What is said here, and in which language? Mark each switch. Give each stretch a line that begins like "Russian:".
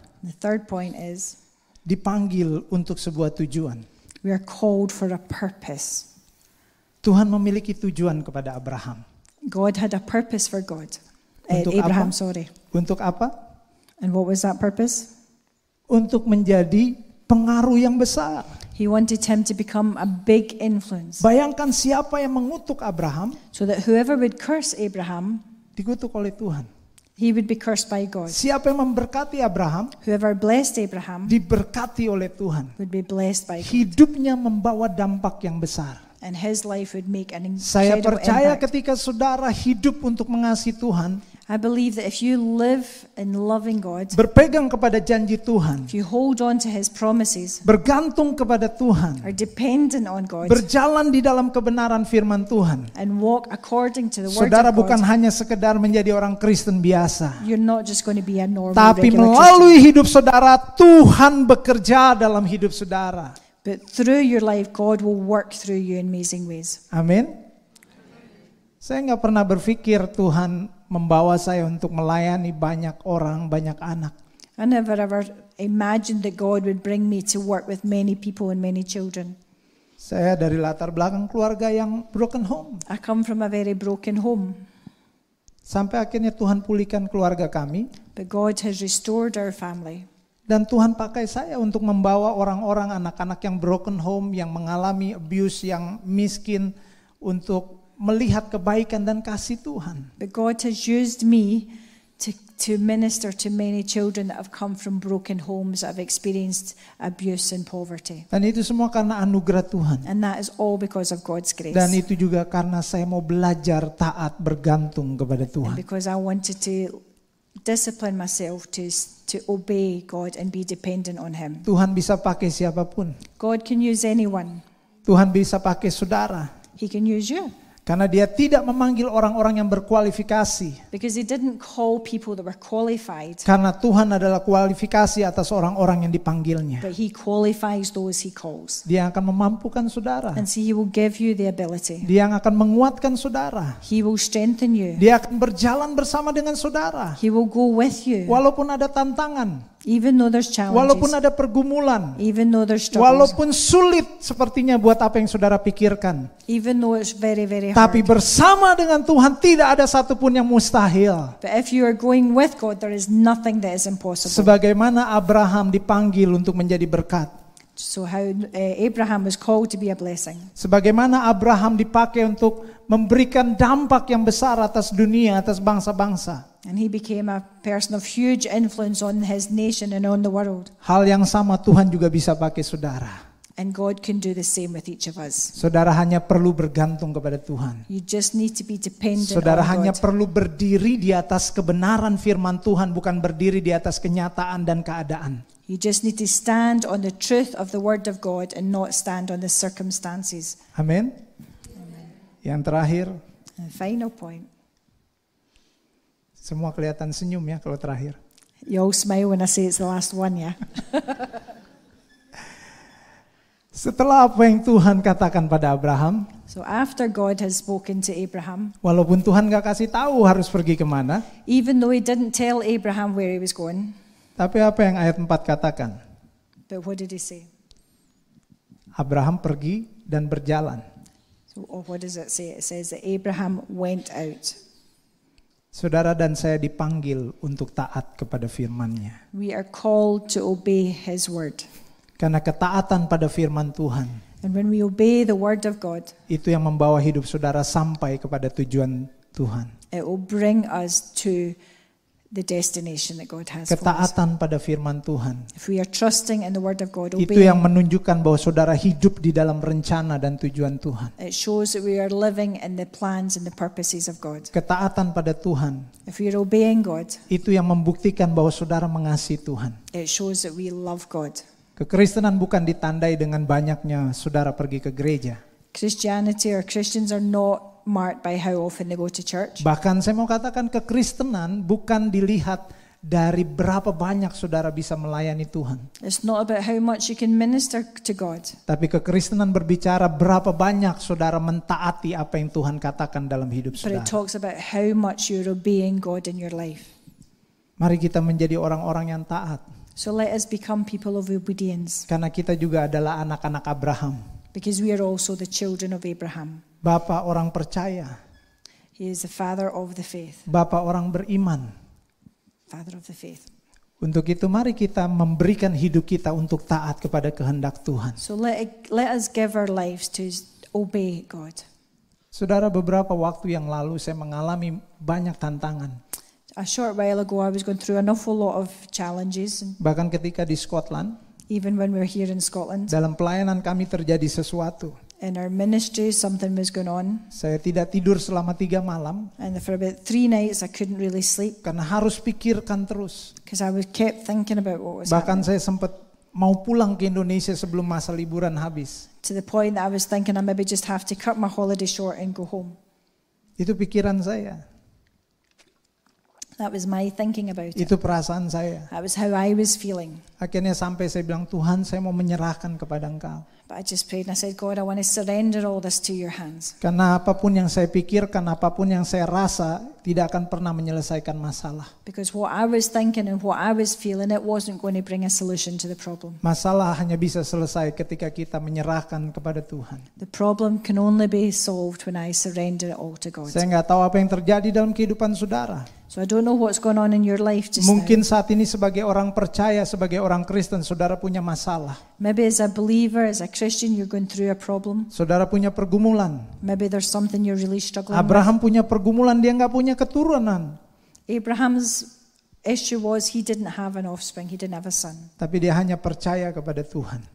English: the third point is,
Indonesian: dipanggil untuk sebuah tujuan.
English: We are called for a purpose.
Indonesian: Tuhan memiliki tujuan kepada Abraham.
English: God had a purpose for God. Abraham.
Indonesian: Untuk apa?
English: And what was that purpose?
Indonesian: Untuk menjadi pengaruh yang besar.
English: He wanted him to become a big influence.
Indonesian: Bayangkan siapa yang mengutuk Abraham?
English: So that whoever would curse Abraham,
Indonesian: dikutuk oleh Tuhan.
English: He would be cursed by God.
Indonesian: Siapa yang memberkati Abraham?
English: Whoever blessed Abraham,
Indonesian: diberkati oleh Tuhan.
English: Would be blessed by God.
Indonesian: Hidupnya membawa dampak yang besar.
English: And his life would make an incredible impact.
Indonesian: Saya percaya ketika saudara hidup untuk mengasihi Tuhan,
English: I believe that if you live in loving God,
Indonesian: berpegang kepada janji Tuhan,
English: if you hold on to his promises,
Indonesian: bergantung kepada Tuhan,
English: are dependent on God,
Indonesian: berjalan di dalam kebenaran firman Tuhan,
English: and walk according to the word
Indonesian: saudara
English: of
Indonesian: bukan
English: God,
Indonesian: hanya sekedar menjadi orang Kristen biasa,
English: you're not just going to be a normal,
Indonesian: tapi melalui Christian. Hidup saudara, Tuhan bekerja dalam hidup saudara.
English: But through your life, God will work through you in amazing ways.
Indonesian: Amin. Saya enggak pernah berpikir Tuhan membawa saya untuk melayani banyak orang, banyak anak.
English: I never ever imagined that God would bring me to work with many people and many children.
Indonesian: Saya dari latar belakang keluarga yang broken home.
English: I come from a very broken home.
Indonesian: Sampai akhirnya Tuhan pulihkan keluarga kami.
English: But God has restored our family.
Indonesian: Dan Tuhan pakai saya untuk membawa orang-orang, anak-anak yang broken home, yang mengalami abuse, yang miskin, untuk melihat kebaikan dan kasih Tuhan.
English: But God has used me to minister to many children that have come from broken homes that have experienced abuse and poverty.
Indonesian: Dan itu semua karena anugerah Tuhan.
English: And that is all because of God's grace.
Indonesian: Dan itu juga karena saya mau belajar taat bergantung kepada Tuhan.
English: And because I wanted to discipline myself to obey God and be dependent on him.
Indonesian: Tuhan bisa pakai siapapun.
English: God can use anyone.
Indonesian: Tuhan bisa pakai saudara.
English: He can use you.
Indonesian: Karena dia tidak memanggil orang-orang yang berkualifikasi.
English: Because he didn't call people that were qualified.
Indonesian: Karena Tuhan adalah kualifikasi atas orang-orang yang dipanggilnya.
English: But he qualifies those he calls.
Indonesian: Dia akan memampukan saudara.
English: And so he will give you the ability.
Indonesian: Dia yang akan menguatkan saudara.
English: He will strengthen you.
Indonesian: Dia akan berjalan bersama dengan saudara.
English: He will go with you.
Indonesian: Walaupun ada tantangan.
English: Even though there's challenges.
Indonesian: Walaupun ada pergumulan.
English: Even though there's struggles.
Indonesian: Walaupun sulit sepertinya buat apa yang saudara pikirkan.
English: Even though it's very, very hard.
Indonesian: Tapi bersama dengan Tuhan tidak ada satupun yang mustahil.
English: But if you are going with God, there is nothing that is impossible.
Indonesian: Sebagaimana Abraham dipanggil untuk menjadi berkat.
English: So how Abraham was called to be a blessing.
Indonesian: Sebagaimana Abraham dipakai untuk memberikan dampak yang besar atas dunia, atas bangsa-bangsa.
English: And he became a person of huge influence on his nation and on the world.
Indonesian: Hal yang sama Tuhan juga bisa pakai saudara.
English: And God can do the same with each of us.
Indonesian: Saudara hanya perlu bergantung kepada Tuhan.
English: You just need to be dependent.
Indonesian: Saudara
English: on
Indonesian: hanya
English: God.
Indonesian: Perlu berdiri di atas kebenaran firman Tuhan, bukan berdiri di atas kenyataan dan keadaan.
English: You just need to stand on the truth of the word of God and not stand on the circumstances.
Indonesian: Amen. Yang terakhir.
English: And final point.
Indonesian: Semua kelihatan senyum ya kalau terakhir.
English: You all smile when I say it's the last one, ya.
Indonesian: Setelah apa yang Tuhan katakan pada Abraham?
English: So after God has spoken to Abraham.
Indonesian: Walaupun Tuhan enggak kasih tahu harus pergi kemana.
English: Even though he didn't tell Abraham where he was going.
Indonesian: Tapi apa yang ayat 4 katakan?
English: But what did he say?
Indonesian: Abraham pergi dan berjalan.
English: So what does it say? It says that Abraham went out.
Indonesian: Saudara dan saya dipanggil untuk taat kepada firman-Nya.
English: We are called to obey his word.
Indonesian: Karena ketaatan pada firman Tuhan.
English: And when we obey the word of God.
Indonesian: Itu yang membawa hidup saudara sampai kepada tujuan Tuhan.
English: It will bring us to the destination that God has for us.
Indonesian: Ketaatan pada firman Tuhan.
English: If we are trusting in the word of God,
Indonesian: itu yang menunjukkan bahwa saudara hidup di dalam rencana dan tujuan Tuhan.
English: It shows that we are living in the plans and the purposes of God.
Indonesian: Ketaatan pada Tuhan.
English: If we are obeying God,
Indonesian: itu yang membuktikan bahwa saudara mengasihi Tuhan.
English: It shows that we love God.
Indonesian: Kekristenan bukan ditandai dengan banyaknya saudara pergi ke gereja.
English: Christianity or Christians are not marked by how often they go to church.
Indonesian: Bahkan saya mau katakan kekristenan bukan dilihat dari berapa banyak saudara bisa melayani Tuhan.
English: It's not about how much you can minister to God.
Indonesian: Tapi kekristenan berbicara berapa banyak saudara mentaati apa yang Tuhan katakan dalam hidup saudara.
English: But it talks about how much you're obeying God in your life.
Indonesian: Mari kita menjadi orang-orang yang taat.
English: So let us become people of obedience.
Indonesian: Karena kita juga adalah anak-anak Abraham.
English: Because we are also the children of Abraham.
Indonesian: Bapa orang percaya.
English: He is the father of the faith.
Indonesian: Bapa orang beriman.
English: Father of the faith.
Indonesian: Untuk itu mari kita memberikan hidup kita untuk taat kepada kehendak Tuhan.
English: So let us give our lives to obey God.
Indonesian: Saudara, beberapa waktu yang lalu saya mengalami banyak tantangan.
English: A short while ago I was going through an awful lot of challenges.
Indonesian: Bahkan ketika di Scotland.
English: Even when we're here in Scotland.
Indonesian: Dalam pelayanan kami terjadi sesuatu.
English: In our ministry something was going on.
Indonesian: Saya tidak tidur selama 3 malam.
English: And for about 3 nights I couldn't really sleep.
Indonesian: Karena harus pikirkan terus.
English: Because I was kept thinking about what was happening.
Indonesian: Bahkan saya sempat mau pulang ke Indonesia sebelum masa liburan habis.
English: To the point that I was thinking I maybe just have to cut my holiday short and go home.
Indonesian: Itu pikiran saya.
English: That was my thinking about it.
Indonesian: Itu perasaan saya.
English: That was how I was feeling.
Indonesian: Akhirnya sampai saya bilang, Tuhan, saya mau menyerahkan kepada Engkau.
English: But I just prayed and I said, God, I want to surrender all this to your hands.
Indonesian: Karena apapun yang saya pikirkan, apapun yang saya rasa, tidak akan pernah menyelesaikan masalah.
English: Because what I was thinking and what I was feeling, it wasn't going to bring a solution to the problem.
Indonesian: Masalah hanya bisa selesai ketika kita menyerahkan kepada Tuhan.
English: The problem can only be solved when I surrender it all to God.
Indonesian: Saya enggak tahu apa yang terjadi dalam kehidupan saudara.
English: So I don't know what's going on in your life just
Indonesian: mungkin
English: now.
Indonesian: Saat ini sebagai orang percaya, sebagai orang Kristen, saudara punya masalah.
English: Maybe as a believer, as a Christian, you're going through a problem.
Indonesian: Saudara punya pergumulan.
English: Maybe there's something you're really struggling with.
Indonesian: Abraham punya pergumulan, dia enggak punya keturunan.
English: Abraham's issue was he didn't have an offspring, he didn't have a son.
Indonesian: Tapi dia hanya percaya kepada Tuhan.